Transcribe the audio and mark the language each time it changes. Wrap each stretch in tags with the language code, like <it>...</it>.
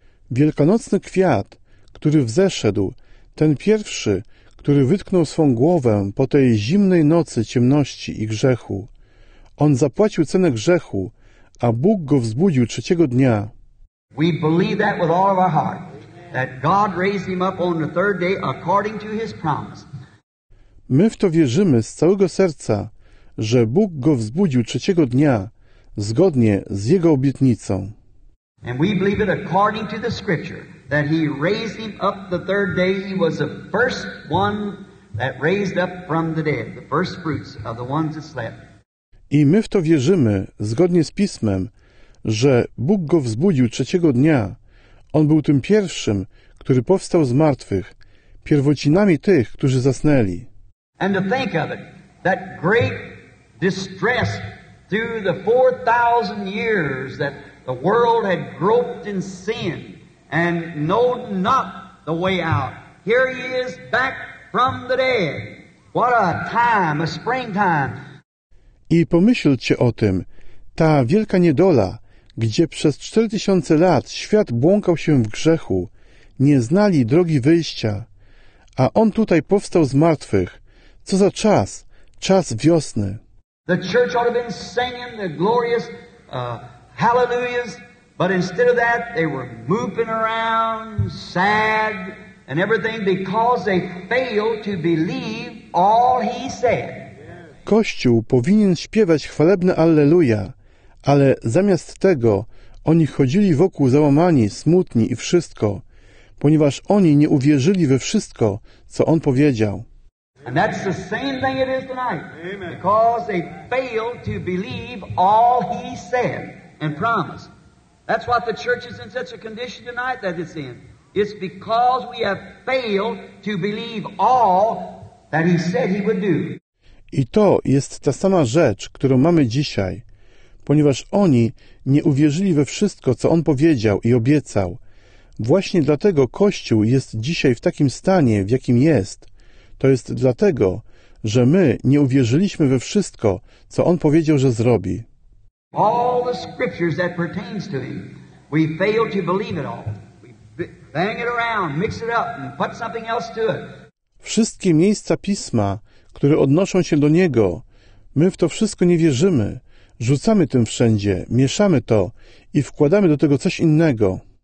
<pl>Wielkanocny kwiat, który wzeszedł, ten pierwszy, który wytknął swą głowę po tej zimnej nocy ciemności i grzechu. On zapłacił cenę grzechu, a Bóg go wzbudził trzeciego dnia.</pl> <en>We believe that with all of our heart, that God raised him up on the third day according to his promise.</en> <pl>My w to wierzymy z całego serca, że Bóg go wzbudził trzeciego dnia, zgodnie z jego obietnicą.</pl> <en>And we believe it according to the scripture, that he raised him up the third day. He was the first one that raised up from the dead, the first fruits of the ones that slept.</en> <pl>I my w to wierzymy, zgodnie z Pismem, że Bóg go wzbudził trzeciego dnia. On był tym pierwszym, który powstał z martwych, pierwocinami tych, którzy zasnęli.</pl> <en>And to think of it, that great distress through the 4,000 years that the world had groped in sin and known not the way out. Here he is back from the dead. What a time, a springtime.</en> <pl>I pomyślcie o tym, ta wielka niedola, gdzie przez 4000 lat świat błąkał się w grzechu, nie znali drogi wyjścia, a on tutaj powstał z martwych. Co za czas, czas wiosny.</pl> <en>The church ought to have been singing the glorious hallelujahs, but instead of that, they were moping around, sad, and everything because they failed to believe all he said.</en> <pl>Kościół powinien śpiewać chwalebne alleluja, ale zamiast tego oni chodzili wokół załamani, smutni i wszystko, ponieważ oni nie uwierzyli we wszystko, co on powiedział.</pl> <en>And that's the same thing it is tonight. Because they failed to believe all he said and promised. That's what the church is in such a condition tonight that it's in. It's because we have failed to believe all that he said he would do.</en> <pl>I to jest ta sama rzecz, którą mamy dzisiaj, ponieważ oni nie uwierzyli we wszystko, co on powiedział i obiecał. Właśnie dlatego Kościół jest dzisiaj w takim stanie, w jakim jest. To jest dlatego, że my nie uwierzyliśmy we wszystko, co on powiedział, że zrobi.</pl> <en>All the scriptures that pertains to him, we fail to believe it all. We bang it around, mix it up and put something else to it.</en> <pl>Wszystkie miejsca Pisma, które odnoszą się do Niego. My w to wszystko nie wierzymy. Rzucamy tym wszędzie, mieszamy to i wkładamy do tego coś innego.</pl>